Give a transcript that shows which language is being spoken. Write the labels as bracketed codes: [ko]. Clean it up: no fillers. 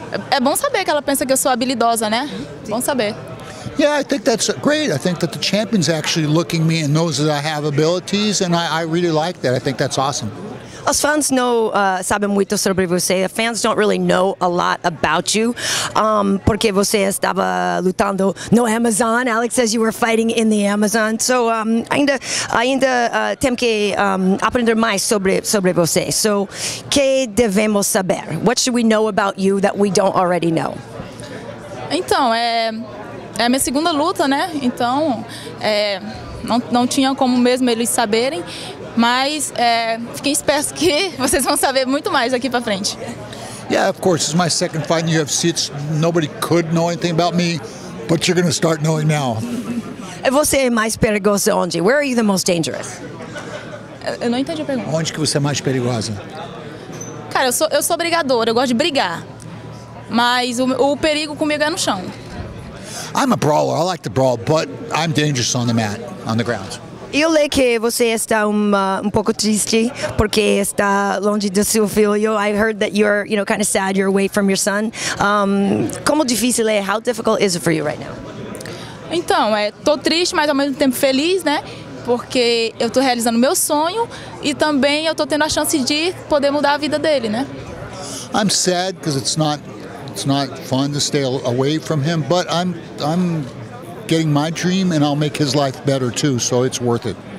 [pt] É bom saber que ela pensa que eu sou habilidosa, né? Bom saber. [en] Yeah, I think that's great. I think that the champion's actually looking at me and knows that I have abilities, and I really like that. I think that's awesome. [pt] Os fãs não sabem muito sobre você. [en] The fans don't really know a lot about you, [pt] porque você estava lutando no Amazon. [en] Alex says you were fighting in the Amazon. [pt] So ainda tem que aprender mais sobre você. So, que devemos saber? [en] What should we know about you that we don't already know? [pt] Então, é a minha segunda luta, né? Então, não tinha como mesmo eles saberem. Mas fiquem espertos que vocês vão saber muito mais aqui para frente. [en] Yeah, of course, it's my second fight in the UFC. Nobody could know anything about me, but you're going to start knowing now. [pt] Você é mais perigoso onde? [en] Where are you the most dangerous? [pt] Eu não entendi a pergunta. Onde que você é mais perigosa? Cara, eu sou brigadora, eu gosto de brigar. Mas o perigo comigo é no chão. [en] I'm a brawler, I like to brawl, but I'm dangerous on the mat, on the ground. [pt] Eu leio que você está um pouco triste porque está longe do seu filho. [en] I heard that you're, you know, kind of sad you're away from your son. [pt] Como difícil é? [en] How difficult is it for you right now? [pt] Então, tô triste, mas ao mesmo tempo feliz, né? Porque eu tô realizando meu sonho e também eu tô tendo a chance de poder mudar a vida dele, né? [en] I'm sad because it's not fun to stay away from him, but I'm getting my dream, and I'll make his life better too, so it's worth it.